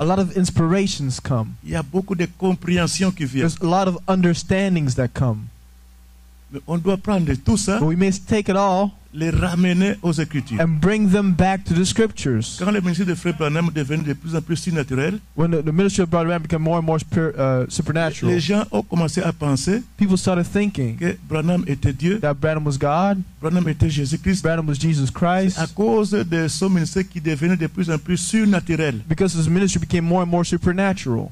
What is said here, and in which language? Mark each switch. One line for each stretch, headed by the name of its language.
English: A lot of inspirations come.
French: Il y a beaucoup de compréhensions qui viennent.
English: There's a lot of understandings that come.
French: Mais on doit prendre tout ça.
English: But we must take it all.
French: Les ramener aux Écritures.
English: And bring them back to the Scriptures.
French: Quand le ministère de Frère Branham devenait de plus en plus surnaturel.
English: When the ministry of Brother Branham became more and more supernatural.
French: Les gens ont commencé à penser.
English: People started thinking.
French: Que Branham était Dieu.
English: That Branham was God.
French: Branham était Jésus-Christ.
English: Branham was Jesus Christ.
French: À cause de son ministère qui devenait de plus en plus surnaturel.
English: Because his ministry became more and more supernatural.